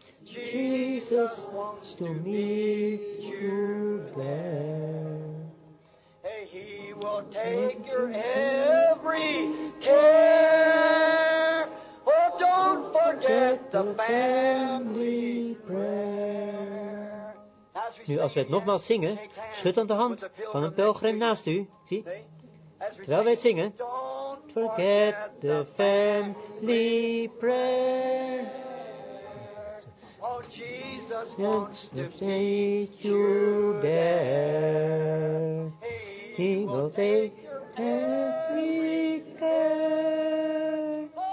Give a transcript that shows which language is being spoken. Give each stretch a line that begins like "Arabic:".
English: Jesus wants to meet you there. He will take your every care. Oh, don't forget the family prayer.
Dutch: Nu, als we het nogmaals zingen, schud dan de hand van een pelgrim naast u. Zie, terwijl wij het zingen.
English: Don't forget the family prayer. Oh, Jesus wants to meet you there. He will take every care.